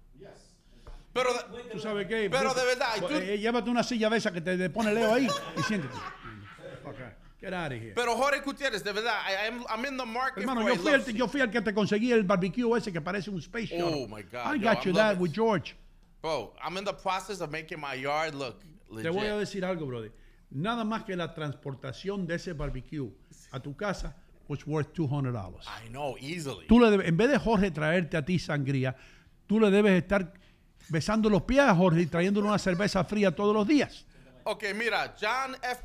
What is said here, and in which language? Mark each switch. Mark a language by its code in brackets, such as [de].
[en] Yes. [es] Pero, ¿tú sabes qué? Pero de verdad. Pues, llévate una silla de esa que te pone Leo ahí y siéntate. [en] Okay. Get out of here. [es] Pero [en] Jorge Gutierrez, [es] de verdad, [en] I'm in the market. [es] Hermano, [en] for [es] yo, fui el que te conseguí el barbecue ese que parece un [en] space shuttle. Oh, my God. I got that with George. Bro, I'm in the process of making my yard look legit. [es] Te voy a decir algo, brother. Nada más que la transportación de ese barbecue a tu casa [en] was worth $200. I know, easily. [es] Tú le debes, en vez de Jorge traerte a ti sangría, tú le debes estar besando los pies a Jorge y trayéndole una cerveza fría todos los días. Ok, mira, John F.